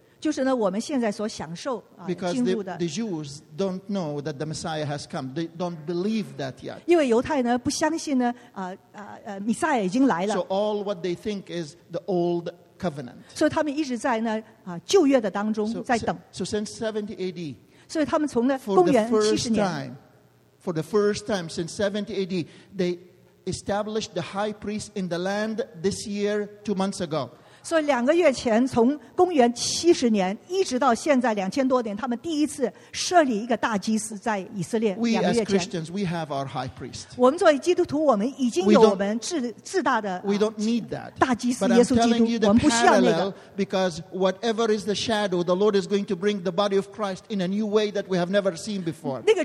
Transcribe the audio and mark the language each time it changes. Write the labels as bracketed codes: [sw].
[en] Because the Jews don't know that the Messiah has come. They don't believe that yet. [zh] 因为犹太呢不相信呢，弥赛亚已经来了。 [en] So all what they think is the old covenant. [zh] 所以他们一直在呢，旧约的当中在等。 [en] So since 70 AD. [zh] 所以他们从呢公元七十年。 [en] For the first time since 70 AD, they established the high priest in the land this year, 2 months ago. [zh] 所以两个月前，从公元七十年一直到现在2000多年，他们第一次设立一个大祭司在以色列。 [en] We as Christians, we have our high priest. [zh] 我们作为基督徒，我们已经有我们自大的。 [en] We don't need that. [zh] 大祭司耶稣基督，我们不需要那个。 [en] Because whatever is the shadow, the Lord is going to bring the body of Christ in a new way that we have never seen before.